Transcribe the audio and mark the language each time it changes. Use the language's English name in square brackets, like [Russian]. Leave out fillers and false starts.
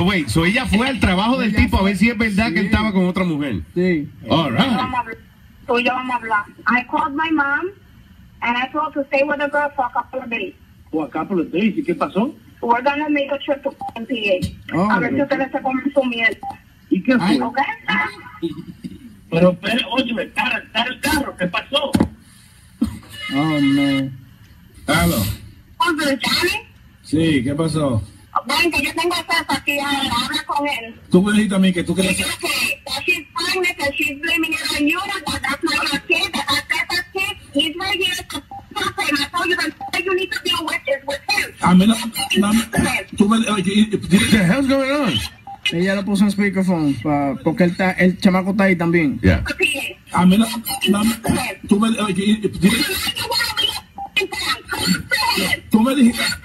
[Spanish] So ella fue al trabajo del tipo a ver si es verdad que él estaba con otra mujer. Sí. [English] All right. [Spanish] Tú y yo vamos a hablar. [English] I called my mom. And I told to stay with the girl for a couple of days. For a couple of days? [Spanish] ¿Y qué pasó? [English] We're gonna make a trip to PA. Oh, [Spanish] a ver si usted se come su miel. ¿Y qué fue? ¿Okay? pero, oye, está el carro. ¿Qué pasó? [English] Oh, man. Hello. [Spanish] ¿Con el Johnny? Sí, ¿qué pasó? Bueno, que yo tengo a César aquí, ahora habla con él. Tú me dijiste a mí que tú querías... Y yo que, [English] that she's pregnant, that she's blaming it on you, that that's not your kid, that that's not her kid, he's right here, to fuck him, I told you that you need to deal with this, with him. [Spanish] A mí no, tú me dijiste, [English] what the hell's going on? [Spanish] Ella le puso un speakerphone pa, porque él ta, el chamaco está ahí también. Ya. A mí no, tú me dijiste, tú me dijiste...